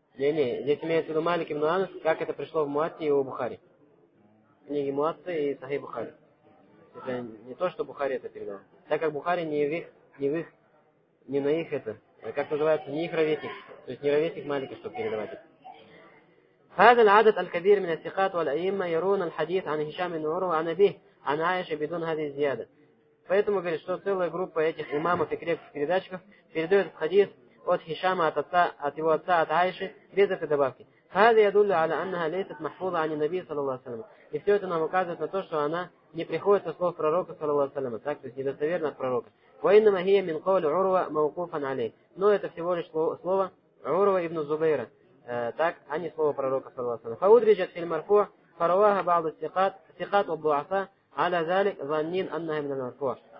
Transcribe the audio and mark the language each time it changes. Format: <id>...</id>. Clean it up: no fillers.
<ru>Не, здесь имеется в виду Малик ибн Анас, как это пришло в Муатте и у Бухари. Книги Муатта и Сахи Бухари. Это не то, что Бухари это передал. Так как Бухари не в их, не на их это, как называется, не их ровесник. То есть не ровесник Малика, чтобы передавать это.</ru> <ar>هذا العدد الكبير من الثقات والأئمة يرون الحديث عن هشام بن عروة عن أبيه عن عائشة بدون هذه الزيادة.</ar> <ru>Поэтому говорит, что целая группа этих имамов и крепких передатчиков передает хадис от Хишама, от отца, от его отца, от Айши, без этой добавки.</ru> <ar>هذا يدل على أنها ليست محفوظة عن النبي صلى الله عليه وسلم.</ar> <ru>И все это нам указывает на то, что она не приходит со слов пророка, саллаллаху алейхи ва саллям, так, то есть недостоверно от пророка.</ru> <ar>وَإِنَّمَا هِيَ مِنْ قَوْلِ عُرْوَ مَوْقُوفًا عَلَيْهِ.</ar> <ru>Но это всего лишь слово Урва ибн Зубейра, так, а не слово пророка, саллаллаху алейхи ва саллям.</ru> <ar>فَأُدْرِجَتْ فِي الْمَرْفُوعِ فَرَوَاهَ بَعْضُ الثِّقَاتِ وَالضُّعَفَاءِ عَلَى ذَلِكَ ظَنِّين أَنَّهَا مِنَ الْمَرْفُوعِ.</ar>